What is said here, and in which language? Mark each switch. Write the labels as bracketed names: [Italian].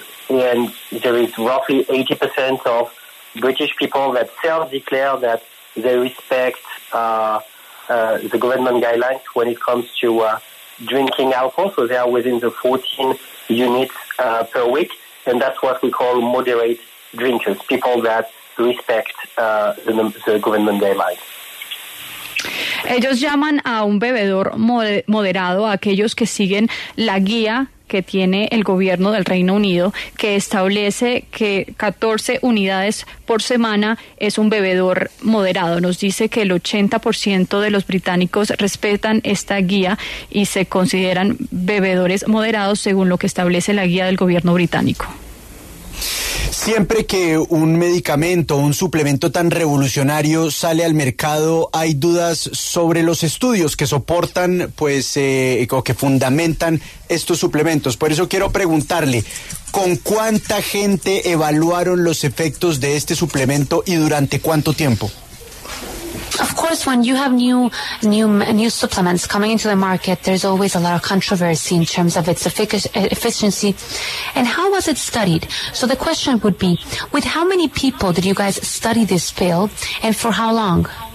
[English] And there is roughly 80% of British people that self-declare that they respect the government guidelines when it comes to drinking alcohol. So they are within the 14 units per week. And that's what we call moderate drinkers, people that respect the government guidelines. [Spanish] Ellos llaman a un bebedor moderado a aquellos que siguen la guía que tiene el gobierno del Reino Unido, que establece que 14 unidades por semana es un bebedor moderado. Nos dice que el 80% de los británicos respetan esta guía y se consideran bebedores moderados según lo que establece la guía del gobierno británico. Siempre que un medicamento, un suplemento tan revolucionario sale al mercado, hay dudas sobre los estudios que soportan, pues, o que fundamentan estos suplementos. Por eso quiero preguntarle, ¿con cuánta gente evaluaron los efectos de este suplemento y durante cuánto tiempo? [English] Of course, when you have new supplements coming into the market, there's always a lot of controversy in terms of its efficiency. And how was it studied? So the question would be, with how many people did you guys study this pill, and for how long?